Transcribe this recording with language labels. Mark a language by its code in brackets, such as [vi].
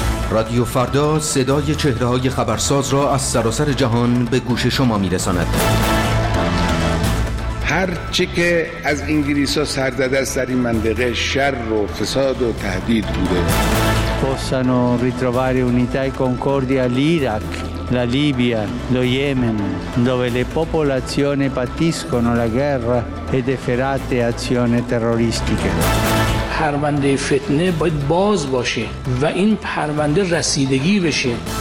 [fa] رادیو فردا صدای چهره های خبرساز را از سراسر جهان به گوش شما می رساند. هر چه که از انگلیس ها سرزده است در این منطقه شر و فساد و تهدید بوده. [it] possano ritrovare unità e concordia l'Iraq, la Libia, lo Yemen, dove le popolazioni patiscono la guerra ed efferate azioni terroristiche. [fa] پرونده فتنه باید باز باشه و این پرونده رسیدگی بشه.